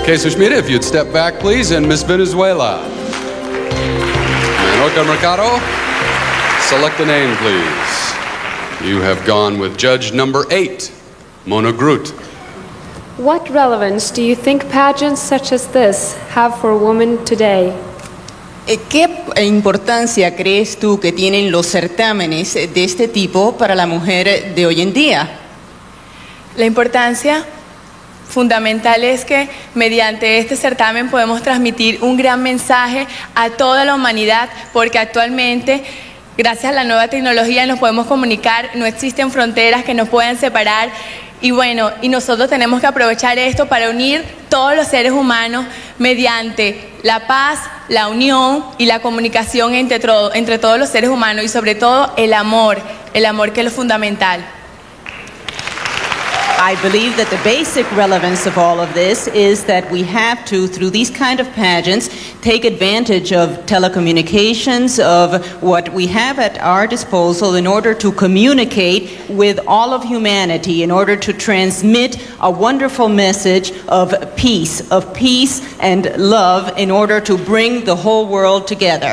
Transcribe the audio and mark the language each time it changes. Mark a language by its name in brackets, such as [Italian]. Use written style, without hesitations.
[English] Okay, Sushmita, if you'd step back, please, and Miss Venezuela. Manuka Mercado, select the name, please. You have gone with judge number eight, Mona Groot. What relevance do you think pageants such as this have for women today? [Spanish] ¿Qué importancia crees tú que tienen los certámenes de este tipo para la mujer de hoy en día? La importancia fundamental es que mediante este certamen podemos transmitir un gran mensaje a toda la humanidad porque actualmente, gracias a la nueva tecnología, nos podemos comunicar, no existen fronteras que nos puedan separar y bueno, y nosotros tenemos que aprovechar esto para unir todos los seres humanos mediante la paz, la unión y la comunicación entre todos los seres humanos y sobre todo el amor que es lo fundamental. [English] I believe that the basic relevance of all of this is that we have to, through these kind of pageants, take advantage of telecommunications, of what we have at our disposal in order to communicate with all of humanity, in order to transmit a wonderful message of peace and love, in order to bring the whole world together.